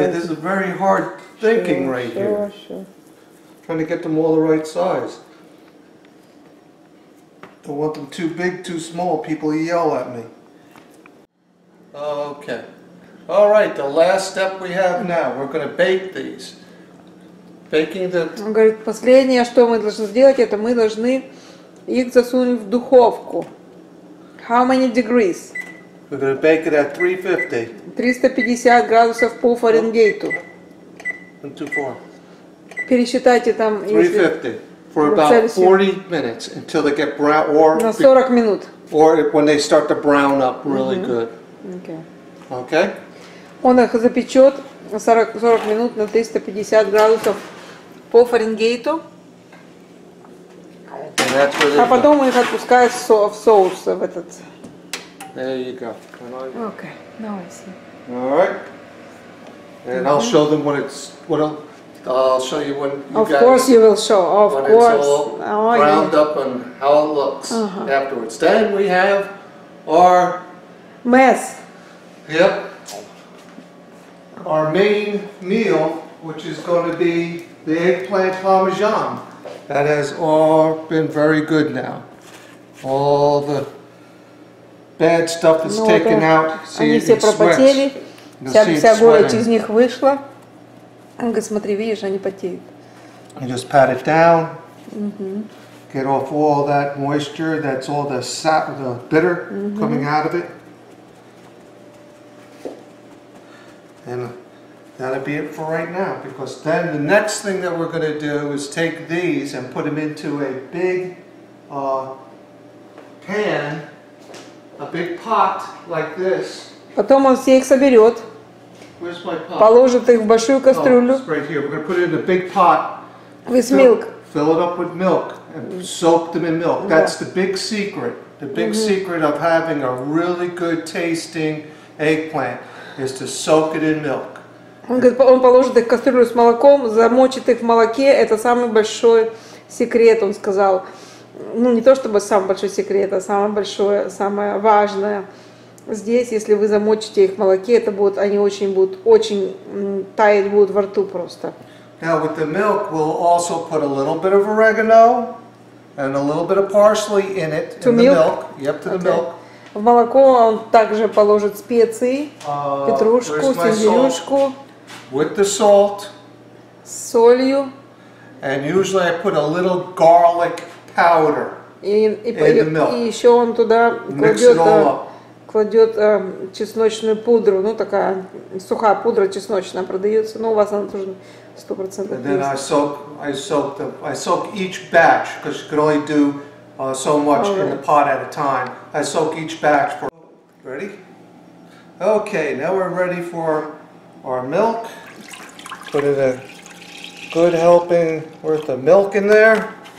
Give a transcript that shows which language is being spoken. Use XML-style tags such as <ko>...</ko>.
<en>Yeah, this is a very hard thinking sure, right sure, here. Sure. Trying to get them all the right size. Don't want them too big, too small. People yell at me. Okay. All right, the last step we have now. We're going to bake these.</en> <ru>Он говорит, последнее, что мы должны сделать, это мы должны их засунуть в духовку.</ru> <en>How many degrees? We're gonna bake it at 350.</en> <ru>350 градусов по Фаренгейту.</ru> <en>And too far.</en> <ru>Пересчитайте там.</ru> <en>350 for about 40 minutes until they get brown or.</en> <ru>На 40 минут.</ru> <en>Or when they start to brown up really mm-hmm. good. Okay. Okay.</en> <ru>Он их запечет. 40 минут на 350 градусов по Фаренгейту. А потом их отпускают в соус в этот.</ru> <en>There you go. Okay, now I see. All right. And mm-hmm. I'll show them when it's, what I'll show you when you of guys. Of course you will show, of when course. When it's all ground up and how it looks uh-huh. afterwards. Then we have our mess. Yep. Our main meal, which is going to be the eggplant parmesan. That has all been very good now. All the bad stuff is taken out. See,</en> <ru>они все пропотели. Вся горечь из них вышла. Он говорит, смотри, видишь, они потеют.</ru> <en>You just pat it down. Mm-hmm. Get off all that moisture. That's all the sap, the bitter mm-hmm. coming out of it. And that'll be it for right now, because then the next thing that we're going to do is take these and put them into a big pan, a big pot like this.</en> <ru>Потом он все их соберет,</ru> <en>where's my pot?</en> <ru>Положит их в большую кастрюлю.</ru> <en>Oh, it's right here. We're going to put it in a big pot. With milk. Fill it up with milk and soak them in milk. Yeah. That's the big secret. The big mm-hmm. secret of having a really good tasting eggplant is to soak it in milk.</en> <ru>Он говорит, он положит их в кастрюлю с молоком, замочит их в молоке. Это самый большой секрет, он сказал. Ну, не то чтобы самый большой секрет, а самое большое, самое важное. Здесь, если вы замочите их в молоке, это будет, они очень будут, очень таять будут во рту просто.</ru> <en>Now with the milk, we'll also put a little bit of oregano and a little bit of parsley in it, to in milk? The milk. Yep, to okay. the milk.</en> <ru>В молоко он также положит специи, петрушку, сельдерюшку.</ru> <en>With the salt,</en> <ru>солью,</ru> <en>and usually I put a little garlic powder in the milk.</en> <ru>И еще он туда кладет чесночную пудру, ну такая сухая пудра чесночная продается, но у вас она тоже 100% есть.</ru> <en>Then I soak each batch, because you can only do so much in the pot at a time. I soak each batch for. Ready? Okay, now we're ready for our milk. Put in a good helping worth of milk in there.</en>